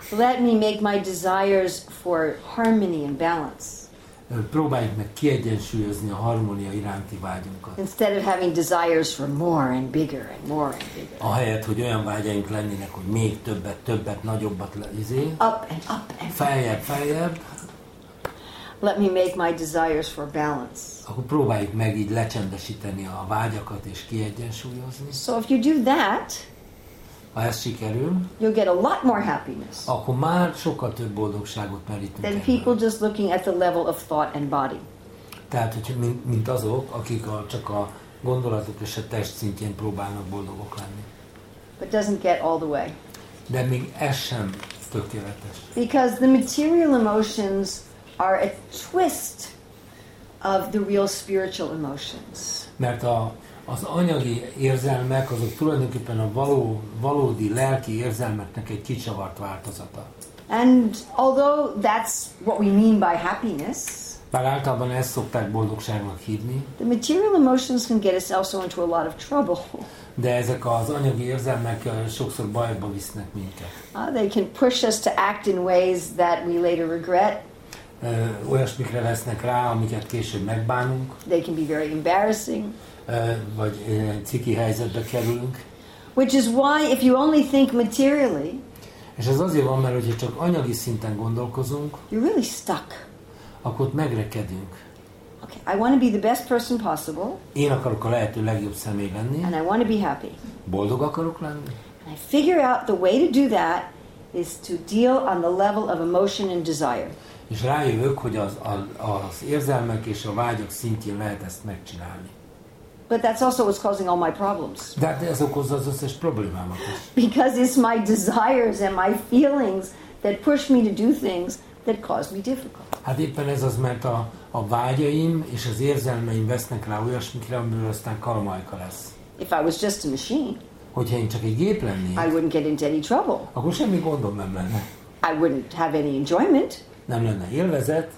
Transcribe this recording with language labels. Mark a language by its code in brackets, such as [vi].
[en] Let me make my desires for harmony and balance. [hu] Próbáljuk meg kiegyensúlyozni a harmónia iránti vágyunkat. [en] Instead of having desires for more and bigger and more and bigger. [hu] Ahelyett, hogy olyan vágyaink lennének, hogy még többet, nagyobbat lezé. [en] Up and up and up. [hu] Feljebb. [en] Let me make my desires for balance. [hu] Akkor próbáljuk meg így lecsendesíteni a vágyakat és kiegyensúlyozni. [en] So if you do that, [hu] ha ez sikerül, [en] you'll get a lot more happiness. [hu] Akkor már sokkal több boldogságot merítünk. [en] Than people just looking at the level of thought and body. [hu] Tehát, hogy mint azok, akik csak a gondolatok és a test szintjén próbálnak boldogok lenni. [en] But doesn't get all the way. [hu] De még ez sem tökéletes. [en] Because the material emotions are a twist of the real spiritual emotions. [hu] Mert az anyagi érzelmek, azok tulajdonképpen a valódi lelki érzelmeknek egy kicsavart változata. [en] And although that's what we mean by happiness, [hu] bár általában ezt szokták boldogságnak hívni, [en] the material emotions can get us also into a lot of trouble. [hu] De ezek az anyagi érzelmek sokszor bajba visznek minket. [en] They can push us to act in ways that we later regret. [hu] Olyasmikre vesznek rá, amiket később megbánunk. [en] They can be very embarrassing. [hu] Vagy ciki helyzetbe kerülünk. [en] Which is why if you only think materially. [hu] És ez azért van, mert hogyha csak anyagi szinten gondolkozunk. [en] You're really stuck. [hu] Akkor ott megrekedünk. [en] Okay, I want to be the best person possible. [hu] Én akarok a lehető legjobb személy lenni. [en] And I want to be happy. [hu] Boldog akarok lenni. [en] And I figure out the way to do that is to deal on the level of emotion and desire. [hu] És rájövök, hogy az érzelmek és a vágyak szintjén lehet ezt megcsinálni. [en] But that's also what's causing all my problems. [hu] De ez okozza az összes problémámat is. [en] Because it's my desires and my feelings that push me to do things that cause me difficulty. [hu] Hát éppen ez az, mert a vágyaim és az érzelmeim vesznek rá olyasmikre, amiből aztán karmaika lesz. [en] If I was just a machine, [hu] hogyha én csak egy gép lennék, [en] I wouldn't get into any trouble. [hu] Akkor semmi gondom nem lenne. [en] I wouldn't have any enjoyment. [hu] Nem lenne élvezet.